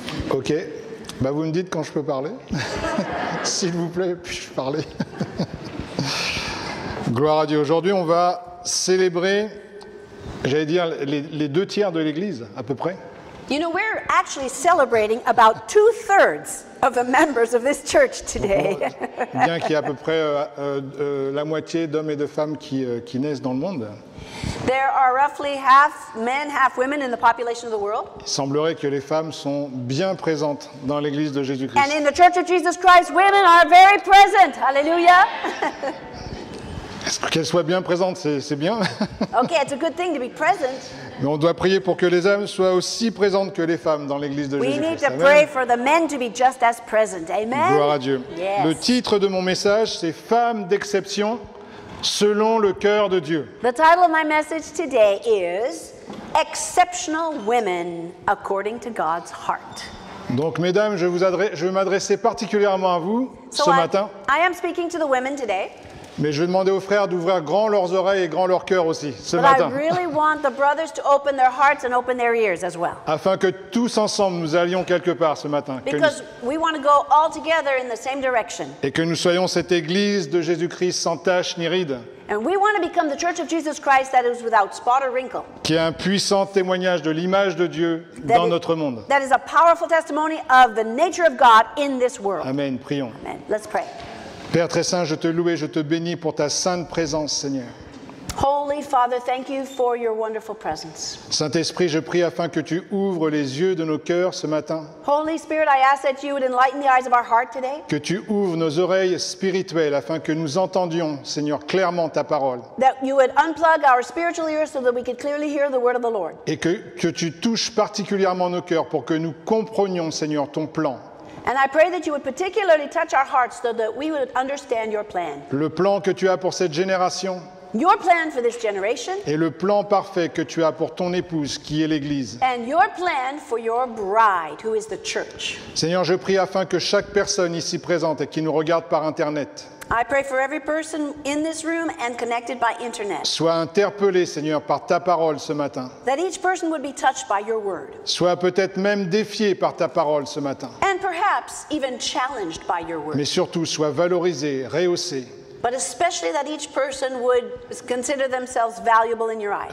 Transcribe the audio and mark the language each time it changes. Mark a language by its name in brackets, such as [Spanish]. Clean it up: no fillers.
[English] Ok. [French] Bah, vous me dites quand je peux parler. S'il vous plaît, puis-je parler. Gloire à Dieu. Aujourd'hui, on va célébrer, j'allais dire, les deux tiers de l'Église, à peu près. [English] You know, we're actually celebrating about two-thirds of the members of this church today. [French] Bien qu'il y ait à peu près la moitié d'hommes et de femmes qui naissent dans le monde. [English] There are roughly half men, half women in the population of the world. [French] Il semblerait que les femmes sont bien présentes dans l'Église de Jésus-Christ. [English] And in the Church of Jesus Christ, women are very present. Hallelujah. [French] Qu'elles soient bien présentes, c'est bien. [English] Okay, it's a good thing to be present. [French] Mais on doit prier pour que les hommes soient aussi présentes que les femmes dans l'Église de Jésus-Christ. [English] We need to pray for the men to be just as present. Amen. [French] Gloire à Dieu. [English] Yes. [French] Le titre de mon message, c'est « Femmes d'exception ». Selon le cœur de Dieu. [English] The title of my message today is Exceptional Women According to God's Heart. [French] Donc, mesdames, je vais m'adresser particulièrement à vous ce matin. [English] I am speaking to the women today. [French] Mais je vais demander aux frères d'ouvrir grand leurs oreilles et grand leur cœur aussi ce matin. [English] I really want the brothers to open their hearts and open their ears as well. [French] Afin que tous ensemble nous allions quelque part ce matin. [English] Because we want to go all together in the same direction. [French] Et que nous soyons cette église de Jésus-Christ sans tache ni ride. [English] And we want to become the Church of Jesus Christ that is without spot or wrinkle. [French] Qui est un puissant témoignage de l'image de Dieu dans notre monde. [English] That is a powerful testimony of the nature of God in this world. [French] Amen. Prions. [English] Amen. Let's pray. [French] Père très saint, je te loue et je te bénis pour ta sainte présence, Seigneur. [English] Holy Father, thank you for your wonderful presence. [French] Saint-Esprit, je prie afin que tu ouvres les yeux de nos cœurs ce matin. [English] Holy Spirit, I ask that you would enlighten the eyes of our heart today. [French] Que tu ouvres nos oreilles spirituelles afin que nous entendions, Seigneur, clairement ta parole. [English] That you would unplug our spiritual ears so that we could clearly hear the word of the Lord. [French] Et que tu touches particulièrement nos cœurs pour que nous comprenions, Seigneur, ton plan. [English] And I pray that you would particularly touch our hearts so that we would understand your plan. [French] Le plan que tu as pour cette génération. [English] Your plan for this generation. [French] Et le plan parfait que tu as pour ton épouse qui est l'Église. [English] And your plan for your bride who is the church. [French] Seigneur, je prie afin que chaque personne ici présente et qui nous regarde par Internet. [English] I pray for every person in this room and connected by internet. [French] Sois interpellé, Seigneur, par ta parole ce matin. [English] That each person would be touched by your word. [French] Sois peut-être même défié par ta parole ce matin. [English] And perhaps even challenged by your word. [French] Mais surtout, sois valorisé, rehaussé. [English] But especially that each person would consider themselves valuable in your eyes.